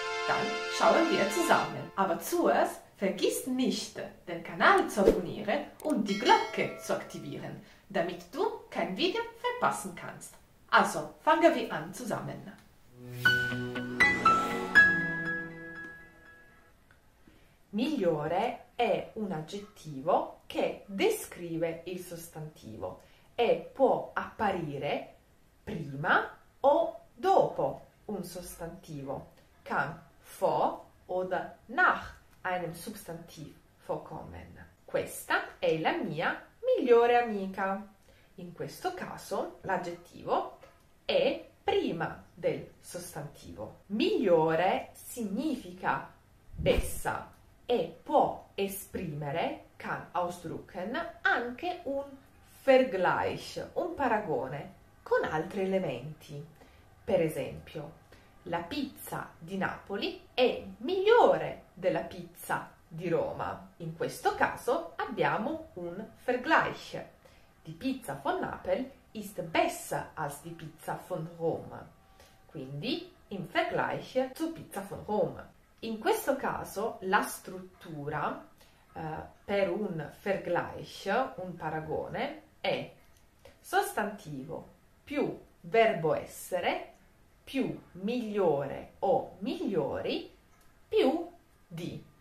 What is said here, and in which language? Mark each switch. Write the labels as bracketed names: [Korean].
[German] Dann schauen wir zusammen. Aber zuerst vergiss nicht, den Kanal zu abonnieren und die Glocke zu aktivieren, damit du kein Video verpassen kannst. Also fangen wir an zusammen. [Italian] Migliore è un aggettivo che descrive il sostantivo e può apparire prima o dopo un sostantivo, [German] kann vor oder nach einem Substantiv vorkommen. [Italian] Questa è la mia migliore amica. In questo caso l'aggettivo è prima del sostantivo. Migliore significa bessa e può esprimere, [German] kann ausdrücken, [Italian] anche un Vergleich, un paragone con altri elementi. Per esempio, la pizza di Napoli è migliore della pizza di Roma. In questo caso abbiamo un Vergleich. [German] Die Pizza von Napel ist besser als die Pizza von Rom. Quindi, im Vergleich zu Pizza von Rom. [Italian] In questo caso, la struttura per un Vergleich, un paragone, è sostantivo più verbo essere, più migliore o migliori, più di.